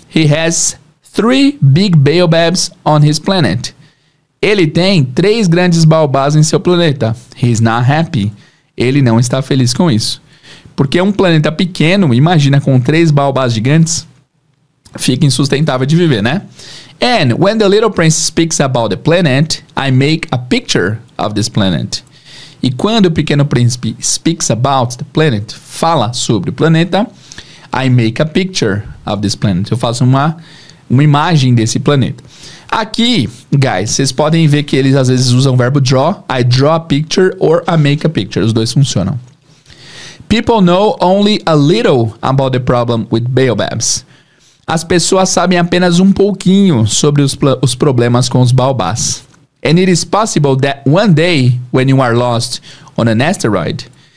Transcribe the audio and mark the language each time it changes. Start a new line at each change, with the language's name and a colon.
English: He has 3 big baobabs on his planet.
Portuguese: Ele tem 3 grandes baobás em seu planeta.
English: He's not happy.
Portuguese: Ele não está feliz com isso. Porque um planeta pequeno, imagina com 3 baobás gigantes, fica insustentável de viver, né?
English: And when the little prince speaks about the planet, I make a picture of this planet.
Portuguese: E quando o pequeno príncipe
English: speaks about the planet,
Portuguese: fala sobre o planeta,
English: I make a picture of this planet.
Portuguese: Eu faço uma imagem desse planeta. Aqui, guys, vocês podem ver que eles às vezes usam o verbo draw.
English: I draw a picture or I make a picture.
Portuguese: Os dois funcionam.
English: People know only a little about the problem with baobabs.
Portuguese: As pessoas sabem apenas um pouquinho sobre os problemas com os baobás.
English: And it is possible that one day when you are lost on an asteroid.